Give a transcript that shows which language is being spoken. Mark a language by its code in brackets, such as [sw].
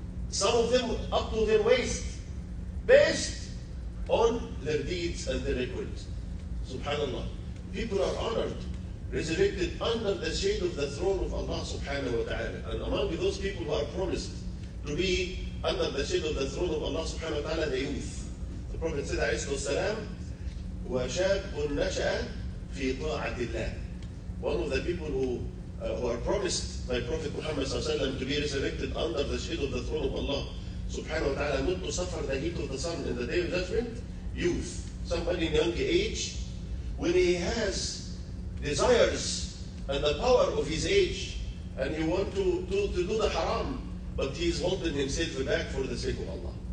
[en] Some of them up to their waist, based on their deeds and their records. Subhanallah. People are honored, resurrected under the shade of the throne of Allah subhanahu wa ta'ala. And among those people who are promised to be under the shade of the throne of Allah subhanahu wa ta'ala, the youth. The Prophet said, [ar] عليه الصلاة والسلام, وشاب نشأ في طاعة الله. [en] One of the people who are promised by Prophet Muhammad [ar] صلى الله عليه وسلم [en] to be resurrected under the shade of the throne of Allah [ar] سبحانه وتعالى, [en] not to suffer the heat of the sun in the day of judgment, youth, somebody in young age, when he has desires and the power of his age, and he wants to do the haram, but he is holding himself back for the sake of Allah.